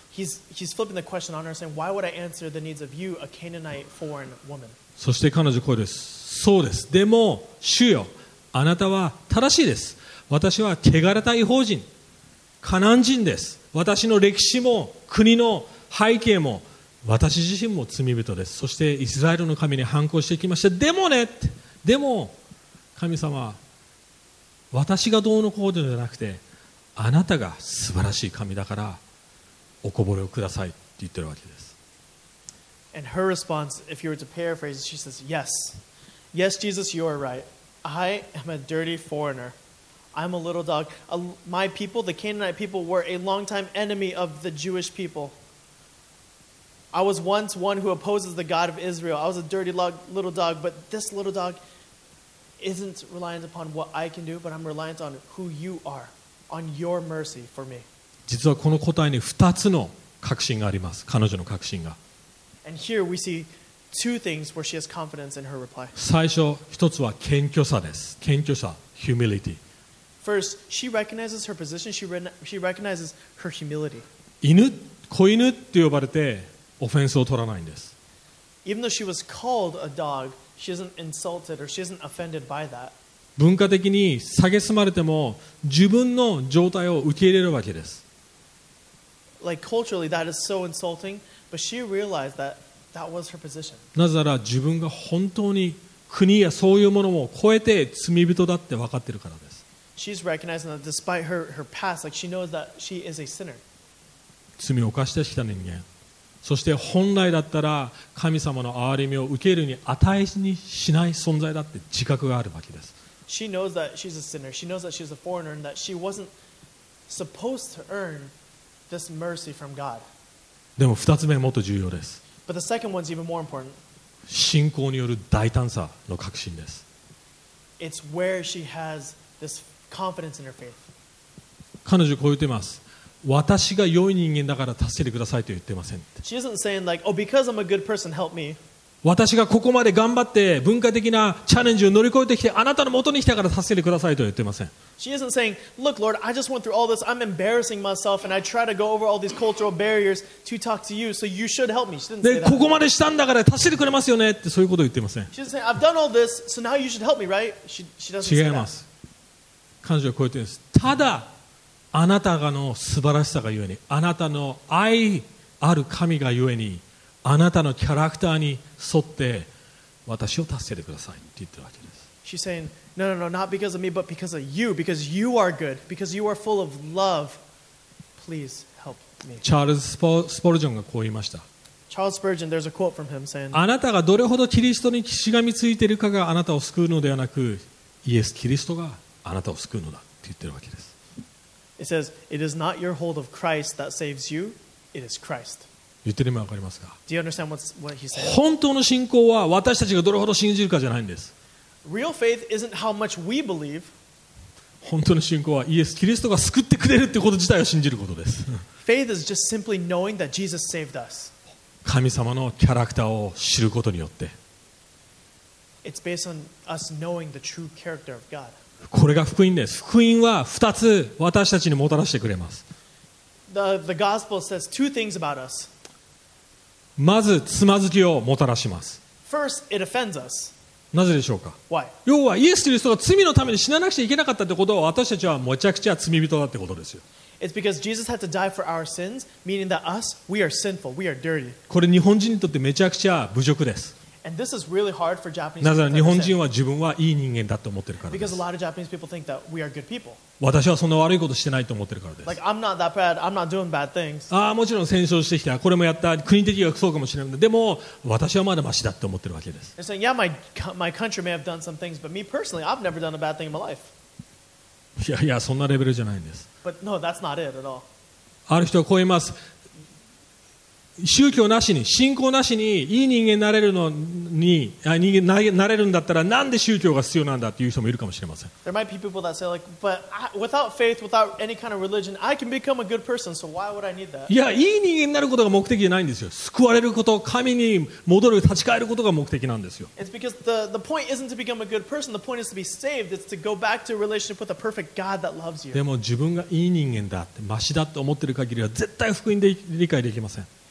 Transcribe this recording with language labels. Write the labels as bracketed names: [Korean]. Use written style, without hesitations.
[English] He's flipping the question on her, saying, "Why would I answer the needs of you, a Canaanite foreign woman?" [Japanese] そして彼女声です。そうです。でも主よ、あなたは正しいです。私は汚れた異邦人、カナン人です。私の歴史も国の背景も私自身も罪人です。そしてイスラエルの神に反抗してきました。でもね、でも神様、私がどうのこうのではなくて、あなたが素晴らしい神だから。おこぼれをくださいって言ってるわけです。 [English] And her response, if you were to paraphrase, she says, "Yes, yes, Jesus, you are right. I am a dirty foreigner. I'm a little dog. My people, the Canaanite people, were a longtime enemy of the Jewish people. I was once one who opposes the God of Israel. I was a dirty little dog. But this little dog isn't reliant upon what I can do, but I'm reliant on who you are, on your mercy for me." [Japanese] 実はこの答えに2つの確信があります。彼女の確信が。 [English] And here we see two things where she has confidence in her reply. [Japanese] 最初一つは謙虚さです。謙虚さ、 humility. [English] First, she recognizes her position. She recognizes her humility. [Japanese] 犬、子犬って呼ばれてオフェンスを取らないんです。 [English] Even though she was called a dog, she isn't insulted or she isn't offended by that. [Japanese] 文化的に蔑まれても自分の状態を受け入れるわけです。 [English] Like culturally, that is so insulting, but she realized that that was her position. [Japanese] なぜなら自分が本当に国やそういうものを超えて罪人だって分かってるからです。 [English] She's recognizing that despite her past, like she knows that she is a sinner. [Japanese] 罪を犯してきた人間。そして本来だったら神様の憐れみを受けるに値にしない存在だって自覚があるわけです。 [English] She knows that she's a sinner. She knows that she's a foreigner and that she wasn't supposed to earn this mercy from God. [Japanese] でも二つ目もっと重要です。 [English] But the second one's even more important. [Japanese] 信仰による大胆さの確信です。 [English] It's where she has this confidence in her faith. [Japanese] 彼女こう言ってます。私が良い人間だから助けてくださいと言ってません。 [English] She isn't saying like, oh, because I'm a good person, help me. [Japanese] 私がここまで頑張って文化的なチャレンジを乗り越えてきてあなたの元に来たから助けてくださいと言ってません。 [English] She isn't saying, look, Lord, I just went through all this. I'm embarrassing myself and I try to go over all these cultural barriers to talk to you, so you should help me. She didn't say that. [Japanese] ここまでしたんだから助けてくれますよねってそういうことを言ってません。 [English] She isn't saying, I've done all this, so now you should help me, right? She doesn't say that. [Japanese] 違います。彼女はこう言ってます。ただあなたがの素晴らしさがゆえに、あなたの愛ある神がゆえに、あなたのキャラクターに沿って私を助けてくださいって言ってるわけです。 [English] She's saying, no, no, no, not because of me, but because of you, because you are good, because you are full of love. Please help me. [Japanese] チャールズ・スポルジョンがこう言いました。 [English] Charles Spurgeon, there's a quote from him saying, [Japanese] あなたがどれほどキリストにしがみついているかがあなたを救うのではなく、イエス・キリストがあなたを救うのだって言ってるわけです。 [English] It says, it is not your hold of Christ that saves you, it is Christ. [Japanese] 言ってる意味わかりますか? [English] Do you understand what he said? [Japanese] 本当の信仰は私たちがどれほど信じるかじゃないんです。 [English] Real faith isn't how much we believe. [Japanese] 本当の信仰はイエス・キリストが救ってくれるってこと自体を信じることです。 [English] Faith is just simply knowing that Jesus saved us. [Japanese] 神様のキャラクターを知ることによって。 [English] It's based on us knowing the true character of God. [Japanese] これが福音です。福音は二つ私たちにもたらしてくれます。 [English] The gospel says two things about us. [Japanese] まずつまずきをもたらします。 [English] First, it offends us. [Japanese] なぜでしょうか。 [English] Why? [Japanese] 要はイエス・キリストが罪のために死ななくちゃいけなかったってことを私たちはめちゃくちゃ罪人だってことですよ。 [English] It's because Jesus had to die for our sins, meaning that us, we are sinful, we are dirty. [Japanese] これ日本人にとってめちゃくちゃ侮辱です。 [English] And this is really hard for Japanese people [Japanese] なぜなら日本人は自分はいい人間だと思ってるからです。 [English] Because a lot of Japanese people think that we are good people. [Japanese] 私はそんな悪いことしてないと思ってるからです。 [English] Like, I'm not that bad. I'm not doing bad things. [Japanese] ああ、もちろん戦争してきた。これもやった。国的にはそうかもしれない。でも、私はまだマシだと思ってるわけです。 [English] They're saying, yeah, my country may have done some things, but me personally, I've never done a bad thing in my life. [Japanese] いやいや、そんなレベルじゃないんです。 [English] But no, that's not it at all. [Japanese] ある人はこう言います。宗教なしに信仰なしにいい人間になれるのに人間になれるんだったらなんで宗教が必要なんだっていう人もいるかもしれません。 [English] There might be people that say like, but without faith, without any kind of religion, I can become a good person. So why would I need that? [Japanese] いやいい人間になることが目的じゃないんですよ。救われること、神に戻る、立ち返ることが目的なんですよ。 [English] It's because the point isn't to become a good person. The point is to be saved. It's to go back to a relationship with a perfect God that loves you. [Japanese] でも自分がいい人間だってマシだって思ってる限りは絶対福音で理解できません。